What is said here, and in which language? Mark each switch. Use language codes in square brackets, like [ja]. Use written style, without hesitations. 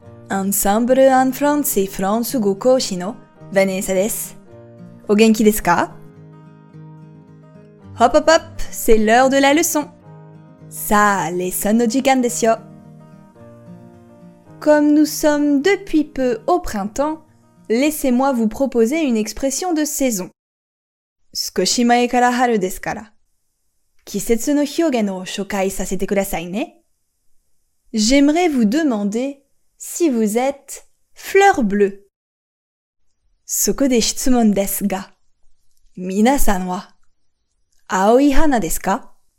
[fr] Ensemble en français, [ja] France go koshi no Vanessa desu. O genki desu ka? [fr] Hop hop hop, c'est l'heure de la leçon. [ja] Sa, lesson no jikan desu yo. [fr] Comme nous sommes depuis peu au printemps, laissez-moi vous proposer une expression de saison. [ja] 少し前から春ですから. 季節の表現を紹介させてくださいね. [fr] J'aimerais vous demander si vous êtes fleur bleue. [ja] そこで質問ですが. 皆さんは青い花ですか?